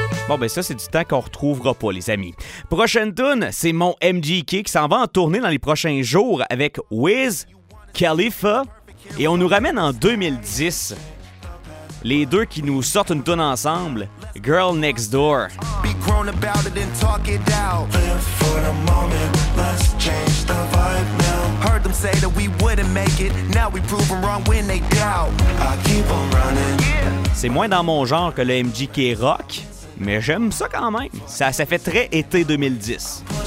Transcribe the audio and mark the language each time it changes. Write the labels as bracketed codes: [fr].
[fr] Bon, ben ça, c'est du temps qu'on retrouvera pas, les amis. Prochaine toune, c'est mon MGK qui s'en va en tournée dans les prochains jours avec Wiz Khalifa. Et on nous ramène en 2010. Les deux qui nous sortent une toune ensemble, Girl Next Door. [en] Be grown about it and talk it out. Live for the moment, let's change the vibe now. Heard them say that we wouldn't make it. Now we prove them wrong when they doubt. I keep on running. [fr] C'est moins dans mon genre que le MGK rock. Mais j'aime ça quand même. Ça fait très été 2010.